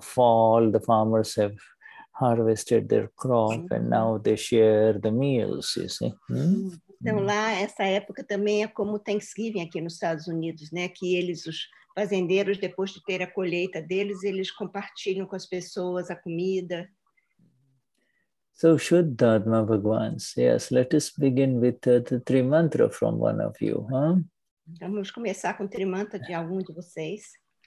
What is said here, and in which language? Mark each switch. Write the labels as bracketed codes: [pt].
[en] Fall, the farmers have harvested their crop and now they share the meals, you see. [pt] Então, lá, essa época também é como Thanksgiving aqui nos Estados Unidos, né? Que eles, os fazendeiros, depois de ter a colheita deles, eles compartilham com as pessoas a comida. [en] So, Shuddhatma Bhagwans, yes, let us begin with the three mantras from one of you, huh? [pt] Vamos começar com o trimantra de algum de vocês.